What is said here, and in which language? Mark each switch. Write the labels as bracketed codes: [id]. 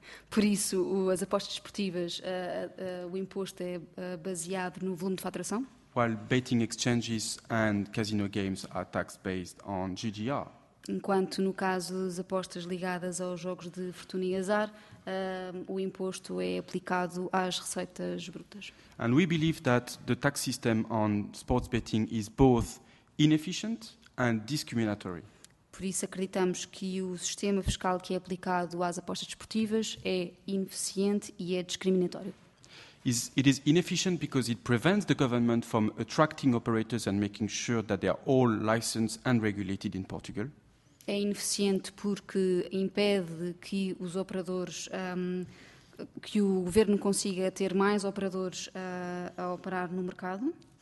[pt] Por isso, as apostas desportivas, o imposto é baseado no volume de faturação. [en] While betting exchanges and casino games are taxed based on GGR. [pt] enquanto no caso das apostas ligadas aos jogos de fortuna e azar, o imposto é aplicado às receitas brutas. [en] And we believe that the tax system on sports betting is both inefficient and discriminatory. [pt] Por isso acreditamos que o sistema fiscal que é aplicado às apostas desportivas é ineficiente e é discriminatório. [en] It is inefficient because it prevents the government from attracting operators and making sure that they are all licensed and regulated in Portugal. [pt] É ineficiente porque impede que os operadores, que o governo consiga ter mais operadores a operar no mercado.